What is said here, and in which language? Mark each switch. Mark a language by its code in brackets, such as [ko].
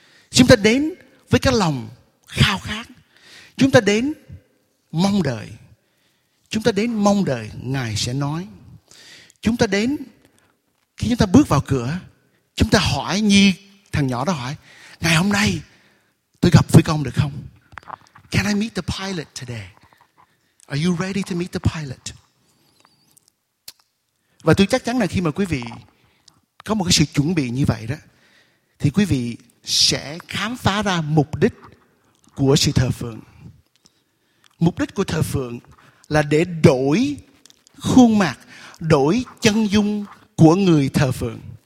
[vi] Chúng ta đến với cái lòng khao khát, chúng ta đến mong đợi, chúng ta đến mong đợi Ngài sẽ nói. Chúng ta đến, khi chúng ta bước vào cửa, chúng ta hỏi như thằng nhỏ đó hỏi, ngày hôm nay tôi gặp với con được không? [en] Can I meet the pilot today? Are you ready to meet the pilot? [vi] Và tôi chắc chắn là khi mà quý vị có một cái sự chuẩn bị như vậy đó, thì quý vị sẽ khám phá ra mục đích của sự thờ phượng. Mục đích của thờ phượng là để đổi khuôn mặt, đổi chân dung của người thờ phượng.